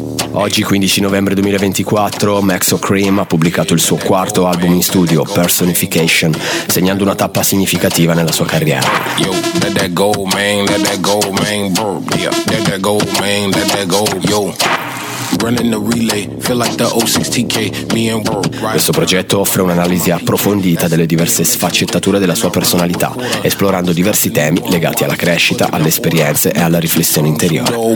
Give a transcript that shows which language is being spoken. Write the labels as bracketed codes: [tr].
[it] Oggi 15 novembre 2024 Maxo Cream ha pubblicato il suo quarto album in studio, Personification, segnando una tappa significativa nella sua carriera. [en] Yo, let that go, man, let that go, man, bro. Yeah, let that go, man, let that go, yo. [it] Questo progetto offre un'analisi approfondita delle diverse sfaccettature della sua personalità, esplorando diversi temi legati alla crescita, alle esperienze e alla riflessione interiore.